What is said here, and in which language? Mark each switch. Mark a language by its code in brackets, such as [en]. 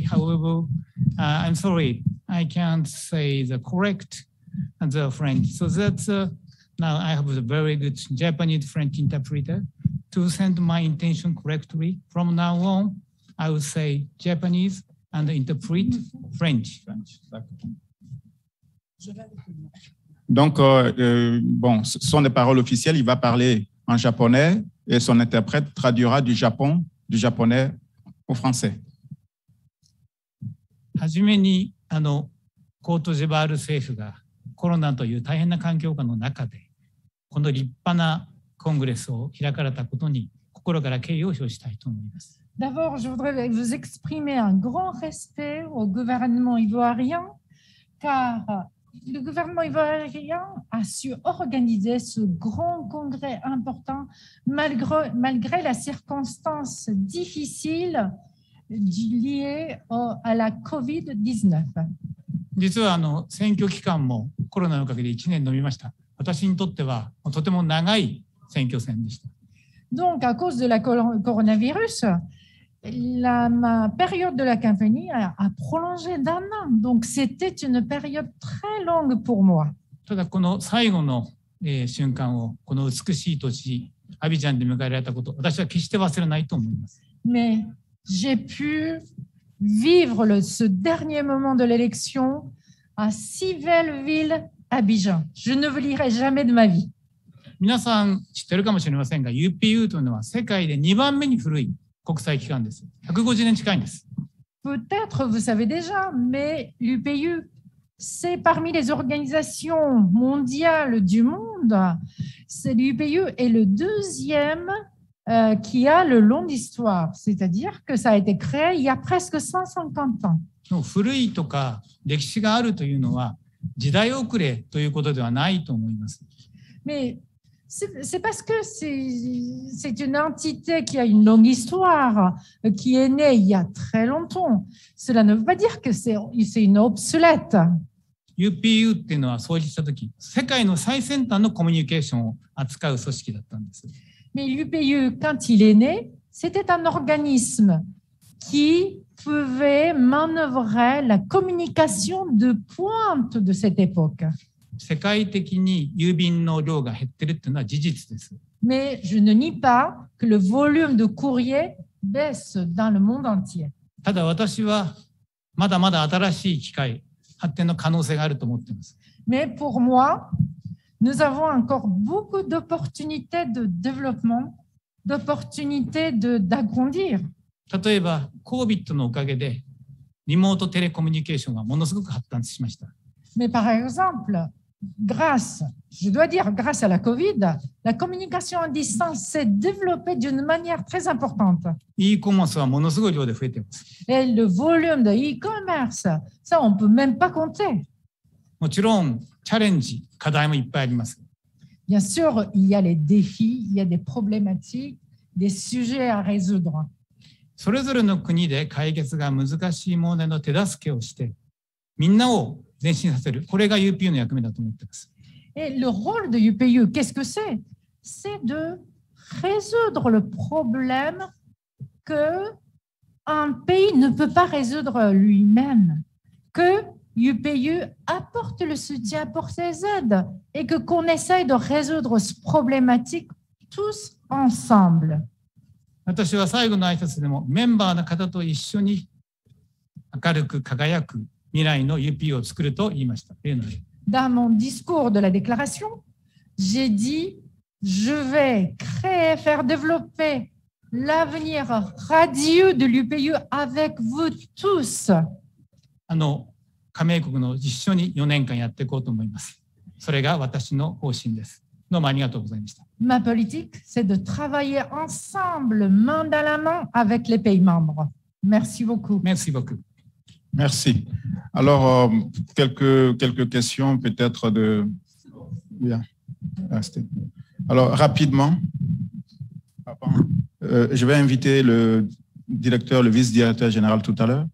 [en] However, I'm sorry, I can't say the correct and the French. So that's now I have a very good Japanese French interpreter to send my intention correctly. From now on, I will say Japanese and interpret French. [fr] Donc, bon, ce sont des paroles officielles. Il va parler en japonais et son interprète traduira du Japon, du japonais au français. [ja] はじめに、あの、コートジェバール政府がコロナという大変な環境下の中で、この立派なコングレスを開かれたことに心から敬意を表したいと思います。 [fr] D'abord, je voudrais vous exprimer un grand respect au gouvernement ivoirien, car le gouvernement ivoirien a su organiser ce grand congrès important malgré la circonstance difficile liée à la COVID-19. [ja] 実はあの選挙期間もコロナのおかげで1年延びました。私にとってはとても長い選挙戦でした。 [fr] Donc, à cause de la coronavirus,ma période de la campagne a prolongé d'un an, donc c'était une période très longue pour moi. [ja] ただこの最後の瞬間をこの美しい土地アビジャンで迎えられたこと、私は決して忘れないと思います。 [fr] Mais j'ai pu vivre ce dernier moment de l'élection à si belle ville Abidjan. Je ne l'oublierai jamais de ma vie. [ja] 皆さん知ってるかもしれませんが、UPU というのは世界で2番目に古い。国際機関です。150年近いんです。 [fr] Peut-être vous savez déjà, mais l'UPU, c'est parmi les organisations mondiales du monde. C'est l'UPU est le deuxième qui a le long d'histoire. C'est-à-dire que ça a été créé il y a presque 150 ans. [ja] 古いとか歴史があるというのは時代遅れということではないと思います。 [fr] Mais c'est parce que c'est une entité qui a une longue histoire, qui est née il y a très longtemps. Cela ne veut pas dire que c'est une obsolète. [ja] UPU っていうのは創立した時、世界の最先端のコミュニケーションを扱う組織だったんです。 [fr] Mais l'UPIE, quand il est né, c'était un organisme qui pouvait manœuvrer la communication de pointe de cette époque. [ja] 世界的に郵便の量が減ってるっていうのは事実です。 [fr] Mais je ne nie pas que le volume de courrier baisse dans le monde entier. [ja] ただ私はまだまだ新しい機械、発展の可能性があると思っています。 [fr] Mais pour moi, nous avons encore beaucoup d'opportunités de développement, d'opportunités d'agrandir. [ja] 例えば、COVID のおかげでリモートテレコミュニケーションがものすごく発達しました。 [fr] Mais par exemple, grâce, je dois dire grâce à la COVID, la communication à distance s'est développée d'une manière très importante. [ja] E-commerce はものすごい量で増えています。 [fr] Et le volume de e-commerce, ça on ne peut même pas compter. [ja] もちろん、チャレンジ、課題もいっぱいあります。 [fr] Bien sûr, il y a les défis, il y a des problématiques, des sujets à résoudre. [ja] それぞれの国で解決が難しい問題の手助けをして、みんなを前進させる。これが UPU の役目だと思っています。 [fr] Et le rôle de UPU, qu'est-ce que c'est? C'est de résoudre le problème que un pays ne peut pas résoudre lui-même. Que UPU apporte le soutien pour ses aides et que qu'on essaye de résoudre ce problématique tous ensemble. [ja] 私は最後の挨拶でもメンバーの方と一緒に明るく輝く未来の UPU を作ると言いました。 [fr] Dans mon discours de la déclaration, j'ai dit je vais créer, faire développer l'avenir radieux de l'UPU avec vous tous. [ja] 加盟国の一緒に4年間やっていこうと思います。それが私の方針です。どうもありがとうございました。 [fr] Ma politique, c'est de travailler ensemble, main dans la main, avec les pays membres. Merci beaucoup. Merci beaucoup. Merci. Alors, quelques questions peut-être de... Yeah. Alors, rapidement, je vais inviter le directeur, le vice-directeur général tout à l'heure.